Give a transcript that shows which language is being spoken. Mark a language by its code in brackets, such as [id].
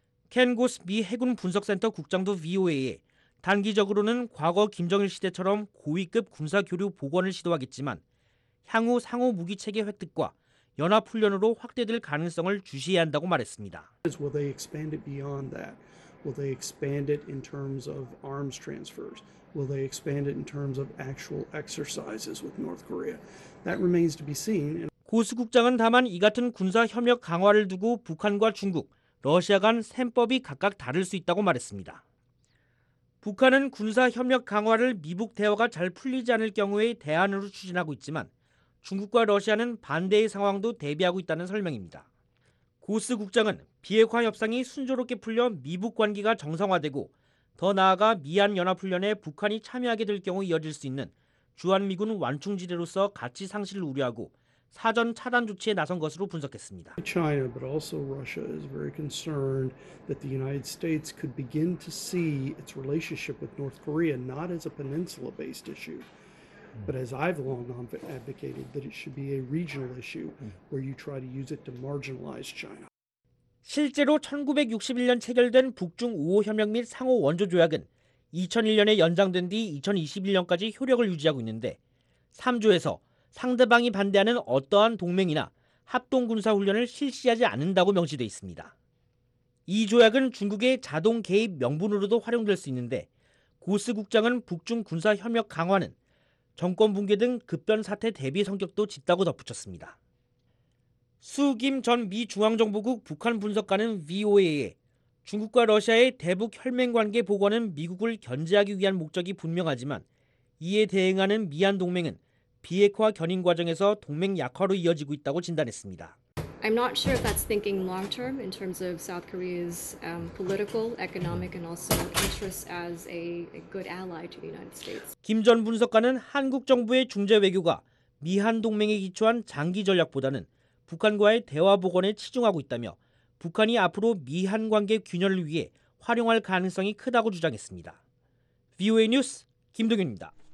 [ko] 켄 고스 미 해군 분석센터 국장도 VOA에 단기적으로는 과거 김정일 시대처럼 고위급 군사 교류 복원을 시도하겠지만 향후 상호 무기 체계 획득과 연합 훈련으로 확대될 가능성을 주시해야 한다고 말했습니다. [en] Will they expand it beyond that? Will they expand it in terms of arms transfers? Will they expand it in terms of actual exercises with North Korea? That remains to be seen. [ko] 고스 국장은 다만 이 같은 군사 협력 강화를 두고 북한과 중국, 러시아 간 셈법이 각각 다를 수 있다고 말했습니다. 북한은 군사협력 강화를 미북 대화가 잘 풀리지 않을 경우에 대안으로 추진하고 있지만 중국과 러시아는 반대의 상황도 대비하고 있다는 설명입니다. 고스 국장은 비핵화 협상이 순조롭게 풀려 미북 관계가 정상화되고 더 나아가 미한연합훈련에 북한이 참여하게 될 경우 이어질 수 있는 주한미군 완충지대로서 가치 상실을 우려하고 사전 차단 조치에 나선 것으로 분석했습니다. [en] China, but also Russia is very concerned that the United States could begin to see its relationship with North Korea not as a peninsula-based issue, but as I've long advocated that it should be a regional issue where you try to use it to marginalize China. [ko] 실제로 1961년 체결된 북중 5호 협력 및 상호 원조 조약은 2001년에 연장된 뒤 2021년까지 효력을 유지하고 있는데 3조에서 상대방이 반대하는 어떠한 동맹이나 합동군사훈련을 실시하지 않는다고 명시돼 있습니다. 이 조약은 중국의 자동 개입 명분으로도 활용될 수 있는데 고스 국장은 북중 군사협력 강화는 정권 붕괴 등 급변 사태 대비 성격도 짙다고 덧붙였습니다. 수 김 전 미 중앙정보국 북한 분석관은 VOA에 중국과 러시아의 대북 혈맹관계 복원은 미국을 견제하기 위한 목적이 분명하지만 이에 대응하는 미한 동맹은 비핵화 견인 과정에서 동맹 약화로 이어지고 있다고 진단했습니다. [en] I'm not sure if that's thinking long term in terms of South Korea's political, economic and also interests as a good ally to the United States. [ko] 김 전 분석관은 한국 정부의 중재 외교가 미한 동맹에 기초한 장기 전략보다는 북한과의 대화 복원에 치중하고 있다며 북한이 앞으로 미한 관계 균열을 위해 활용할 가능성이 크다고 주장했습니다. VOA 뉴스 김동윤입니다.